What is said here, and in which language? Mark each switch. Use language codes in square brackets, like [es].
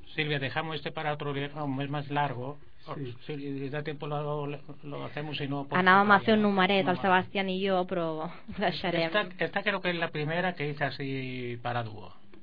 [es] Silvia, dejamos este para otro viernes, un mes más largo. Sí. Si sí, da tiempo lo hacemos, si no... [ca] Anàvem a fer un numeret, el Sebastián i jo, però ho deixarem. [es] Esta creo que es la primera que hice así para dúo.